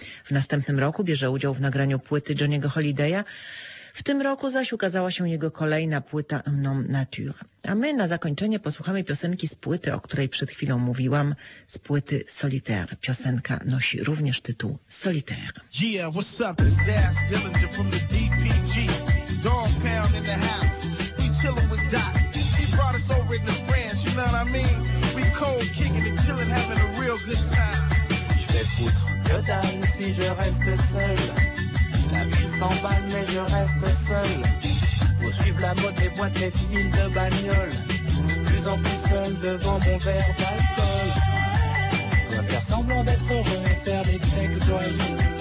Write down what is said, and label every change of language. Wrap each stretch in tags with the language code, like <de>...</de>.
<pl>W następnym roku bierze udział w nagraniu płyty Johnny'ego Holiday'a. W tym roku zaś ukazała się jego kolejna płyta Nom Nature. A my na zakończenie posłuchamy piosenki z płyty, o której przed chwilą mówiłam, z płyty Solitaire. Piosenka nosi również tytuł Solitaire.</pl> <en>Yeah, what's up? It's Daz Dillinger from the DPG. Dog pound in the house. We chillin' with Doc. He brought us over into France, you know what I mean? We cold kicking and chillin', having a real good time.</en> <fr>Je vais foutre que dalle si je reste seul. La ville s'emballe mais je reste seul. Faut suivre la mode, les boîtes, les fils de bagnole. Plus en plus seul devant mon verre d'alcool. Je dois faire semblant d'être heureux et faire des textes joyeux.</fr>